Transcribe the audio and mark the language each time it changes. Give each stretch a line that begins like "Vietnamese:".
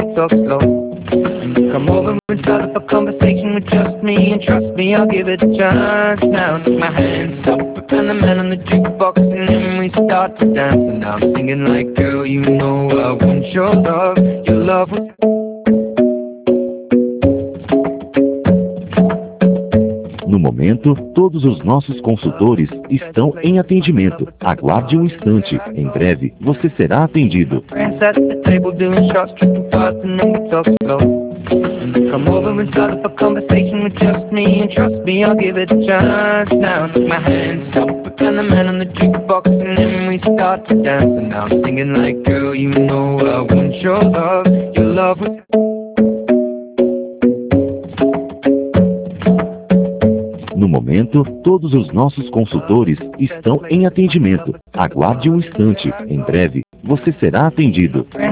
English: Come over and start up a conversation with just me, and trust me, I'll give it a chance. Now I take my hand, stop, and the man on the jukebox, and then we start to dance. And I'm singing like, girl, you know I want your love was...
Portuguese: No momento, todos os nossos consultores estão em atendimento. Aguarde um instante, em breve você será atendido.
English: Come over and start up a conversation with just me, and trust me, I'll give it a chance. Now I take my hand, stop, and the man on the jukebox, and then we start to dance. And now I'm singing like, girl, you know I want your love was...
Portuguese: No momento, todos os nossos consultores estão em atendimento. Aguarde um instante, em breve você será atendido.